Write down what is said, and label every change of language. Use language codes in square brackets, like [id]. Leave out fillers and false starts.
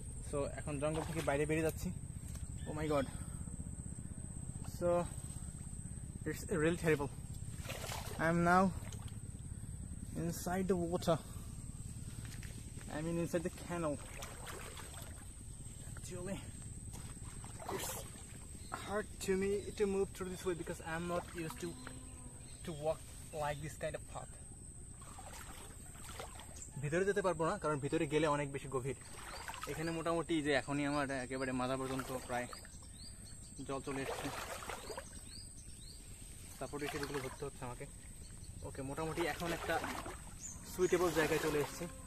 [bn] So এখন জঙ্গল থেকে বাইরে বেরিয়ে যাচ্ছি। [en] Oh my God, so it's a real terrible, I am now inside the water, I mean inside the canal actually. Hard to me to move through this way because I'm not used to walk like this kind of path. [bn] ভিতরে যেতে পারবো না, কারণ ভিতরে গেলে অনেক বেশি গভীর। এখানে মোটামুটি যে এখনই আমার একেবারে মাথা পর্যন্ত প্রায় জল চলে এসছে, সাপোর্ট ইস্যুগুলো ধরতে হচ্ছে আমাকে। ওকে, মোটামুটি এখন একটা সুইটেবল জায়গায় চলে এসছি।